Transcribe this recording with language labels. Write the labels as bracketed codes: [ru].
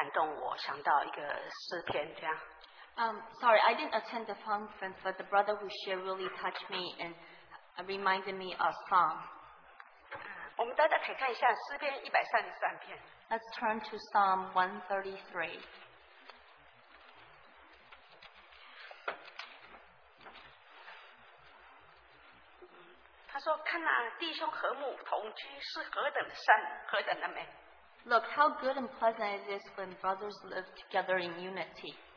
[zh] 我没有参加特会，但是因为刚才那个弟兄的分享，真的是很感动我，想到一个诗篇这样。 [en] Sorry, I didn't attend the conference, but the brother who shared really touched me and reminded me of Psalm. [zh] 我们大家可以看一下诗篇133篇。 [en] Let's turn to Psalm 133. [zh] 他说：“看哪，弟兄和睦同居是何等的善，何等的美。” [en] Look how good and pleasant it is when brothers live together in unity.